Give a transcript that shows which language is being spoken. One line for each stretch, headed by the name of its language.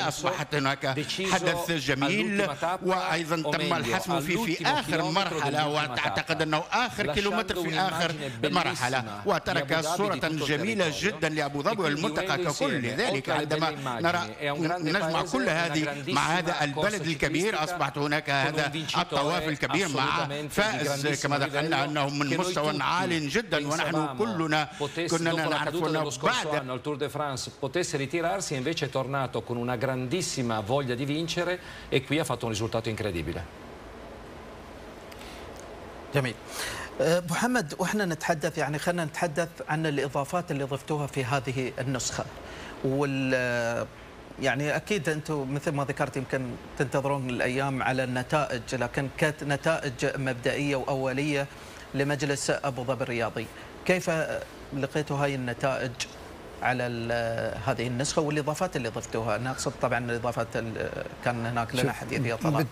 Arabic: أصبحت هناك حدث جميل، وأيضا تم الحسم في آخر مرحلة، وأعتقد أنه آخر كيلومتر في آخر مرحلة، وترك صورة جميلة جدا لأبو ظبي والمنطقة ككل. لذلك عندما نرى نجمع كل هذه مع هذا البلد الكبير، أصبحت هناك هذا الطواف الكبير مع فائز كما ذكرنا أنه من مستوى عال جدا، ونحن كلنا كنا نعرف أنه بعد
Italian: التور دي فرانس potesse ritirarsi invece è tornato con una grandissima voglia di vincere e qui ha fatto un risultato incredibile.
Arabic: جميل محمد، واحنا نتحدث يعني خلينا نتحدث عن الاضافات اللي ضفتوها في هذه النسخه، وال يعني اكيد انتم مثل ما ذكرت يمكن تنتظرون الايام على النتائج، لكن كانت نتائج مبدئيه واوليه لمجلس ابو ظبي الرياضي، كيف لقيتوا هاي النتائج على هذه النسخه والاضافات اللي ضفتوها؟ انا اقصد طبعا الاضافات اللي كان هناك لنا حديث يا طلاب.